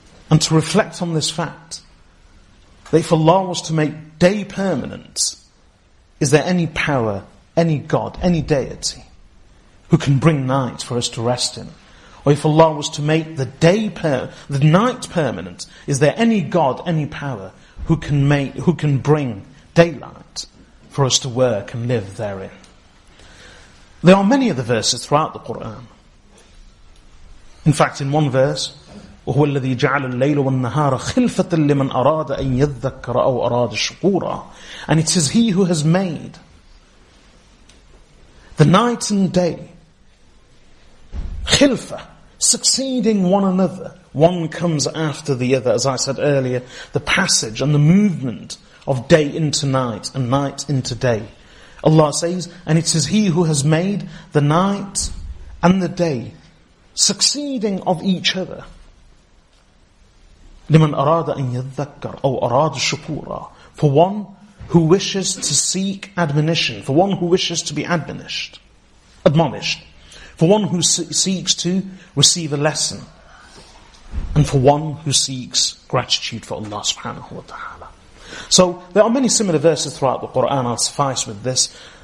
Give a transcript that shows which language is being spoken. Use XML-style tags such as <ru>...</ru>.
<en>And to reflect on this fact, that if Allah was to make day permanent, is there any power, any God, any deity who can bring night for us to rest in? Or if Allah was to make the night permanent, is there any God, any power who can bring daylight for us to work and live therein? There are many of the verses throughout the Quran.</en> <ar>In fact, in one verse, وَهُوَ الَّذِي جَعَلَ اللَّيْلَ وَالنَّهَارَ خِلْفَةً لِمَنْ أَرَادَ أَنْ يَذَّكَّرَ أَوْ أَرَادَ شُكُورًا.</ar> <en>And it is he who has made The night and day. Khilfa, succeeding one another. One comes after the other. As I said earlier, the passage and the movement of day into night and night into day. Allah says, and it is He who has made the night and the day succeeding of each other.</en> <ar>لِمَنْ أَرَادَ أَنْ يَذَّكَّرْ أَوْ أَرَادَ شُكُورًا.</ar> <en>For one who wishes to seek admonition, for one who wishes to be admonished, for one who seeks to receive a lesson, and for one who seeks gratitude for Allah subhanahu wa ta'ala. So there are many similar verses throughout the Quran. I'll suffice with this.</en>